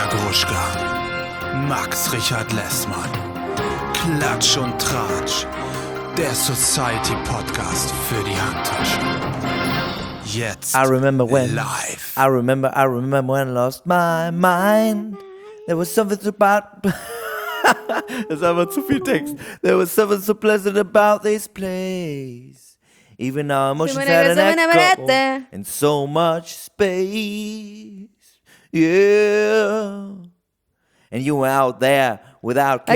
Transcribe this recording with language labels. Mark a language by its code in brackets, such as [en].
[de] Matuschka, Max Richard Lessmann, Klatsch und Tratsch, der Society Podcast für die Handtasche. Jetzt [en] I remember when, live. I remember when I lost my mind. There was something so bad. [de] Das ist einfach zu viel Text. [en] There was something so pleasant about this place. Even our emotions had an echo in so much space. Yeah. And you were out there without care.